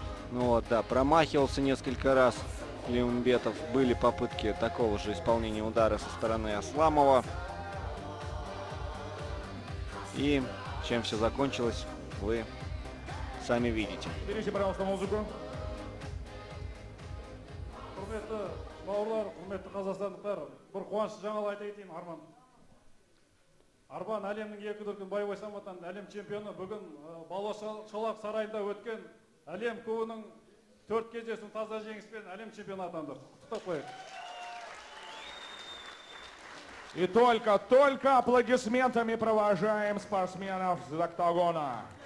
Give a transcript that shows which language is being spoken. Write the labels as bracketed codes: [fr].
[ru] Ну вот, да, промахивался несколько раз Тлиумбетов. Были попытки такого же исполнения удара со стороны Асламова. И чем все закончилось, вы сами видите. Берите, пожалуйста, музыку. [kk] Құрметті бауырлар, құрметті қазақстандықтар, бір қуанышты жаңалық айта кетейін, Арман. Арман әлемнің екі дүркін байбай самбодан әлем чемпионы бүгін Балашолақ сарайында өткен әлем кубогының 4 кездесуін таза жеңіспен әлем чемпионы атанды. Құттықтап қояйық. [ru] И только аплодисментами провожаем спортсменов с октагона.